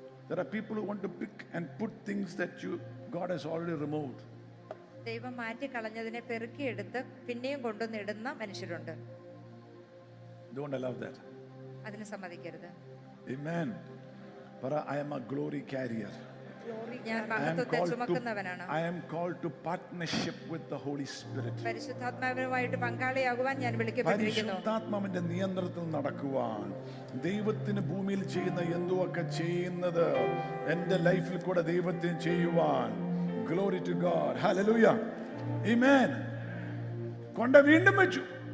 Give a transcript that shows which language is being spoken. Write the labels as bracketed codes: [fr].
[en] There are people who want to pick and put things that you God has already removed. [ml] ദൈവം മാറ്റി കളഞ്ഞതിനെ പെറുക്കി എടുത്ത് പിന്നെയും കൊണ്ടുവന്നിടുന്ന മനുഷ്യരുണ്ട്. [en] Don't allow that. [ml] അതിനെ സമ്മതിക്കരുത്. [en] Amen. But I am a glory carrier. Glory, I am called to partnership with the Holy Spirit. [ml] പരിശുദ്ധാത്മാവുമായിട്ട് പങ്കാളിയാകുവാൻ ഞാൻ വിളിക്കപ്പെട്ടിരിക്കുന്നു. പരിശുദ്ധാത്മാവിന്റെ നിയന്ത്രണത്തിൽ നടക്കുവാൻ ദൈവത്തിന് ഭൂമിയിൽ ചെയ്യുന്ന എന്തുമൊക്കെ ചെയ്യുന്നത് എന്റെ ലൈഫിൽ കൂടെ ദൈവത്തിന് ചെയ്യുവാൻ. [en] Glory to God. [ml] ഹല്ലേലൂയ. ആമേൻ. കൊണ്ട വീണ്ടും വെച്ചു.